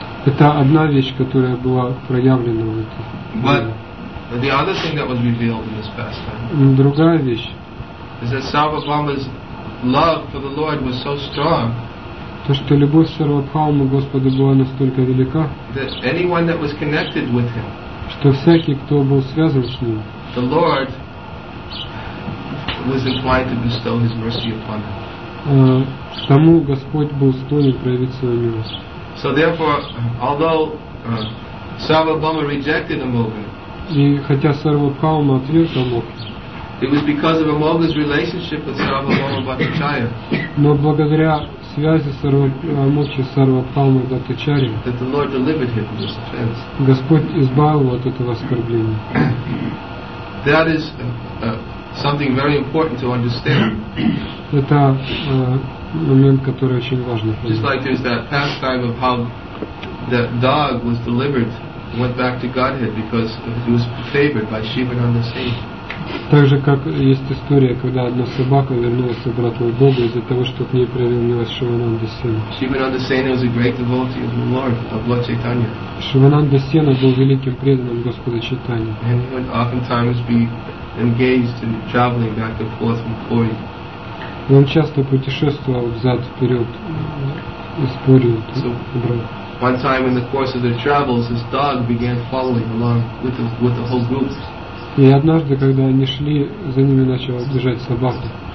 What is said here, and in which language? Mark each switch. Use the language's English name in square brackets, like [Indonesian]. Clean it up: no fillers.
[Russian] Это одна вещь, которая была проявлена в этом. [English] But the other thing that was revealed in this pastime. [Russian] Другая вещь. [English] Is that Сарвабхаума's love for the Lord was so strong. [Russian] То, что любовь Сарвабхаумы Господу была настолько велика. [English] That anyone that was connected with him. [Russian] Что всякий, кто был связан с ним. [English] The Lord was inclined to bestow His mercy upon him. [Russian] Тому Господь был склонен проявить свою милость. [English] So therefore, although Сарвабхаума rejected Амога, [Russian] и хотя Сарвабхаума отверг Амога, [English] it was because of Amoga's relationship with Сарвабхаума Бхаттачарья. [Russian] Но благодаря связи Амоги с Сарвабхаумой Бхаттачарья, [English] that the Lord delivered him from this offense. [Russian] Господь избавил его от этого оскорбления. [English] That is something very important to understand. [Russian] Это момент, который очень важен. [English] Just like there's that pastime of how that dog was delivered, went back to Godhead because he was favored by Shiva on the sea. [Russian] Так же, как есть история, когда одна собака вернулась обратно к Богу из-за того, что к ней проявил милость Шивананда Сена. [English] Shivananda Sena was a great devotee of the Lord, of Lord Chaitanya. [Russian] Шивананда Сена был великим преданным Господа Чайтаньи. [English] And he would oftentimes be engaged in traveling back and forth from Puri. [Russian] И он часто путешествовал взад-вперед из Пури. [English] So, one time in the course of their travels, his dog began following along with the whole group. [Russian] И однажды, когда они шли, за ними начала бежать собака.